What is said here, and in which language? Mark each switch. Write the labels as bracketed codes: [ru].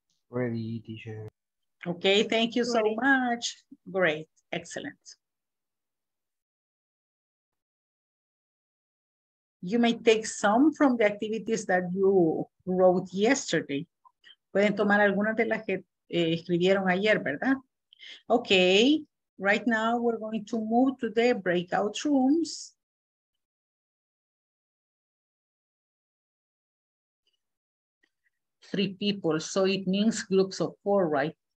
[en] Ready, teacher. Okay, thank you so much. Great, excellent. You may take some from the activities that you wrote yesterday. [es] Pueden tomar algunas de las que escribieron ayer, ¿verdad? [en] Okay, right now we're going to move to the breakout rooms. Three people, so it means groups of four, right?